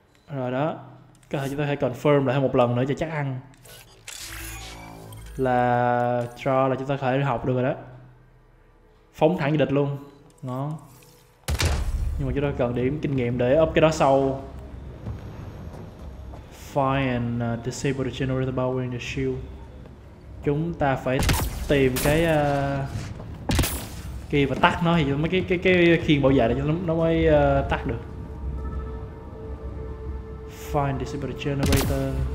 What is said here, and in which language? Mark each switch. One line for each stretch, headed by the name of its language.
Vietnamese: Rồi đó. Có thể chúng ta hãy confirm lại một lần nữa cho chắc ăn. Là draw là chúng ta có thể học được rồi đó. Phóng thẳng cho địch luôn. Ngon. Nhưng mà chúng ta cần điểm kinh nghiệm để up cái đó sau.
English: Fire and disable the generator power in the shield.
Vietnamese: Chúng ta phải tìm cái kia và tắt nó thì mới cái khiên bảo vệ này nó mới tắt được.
English: Fire and disable the generator.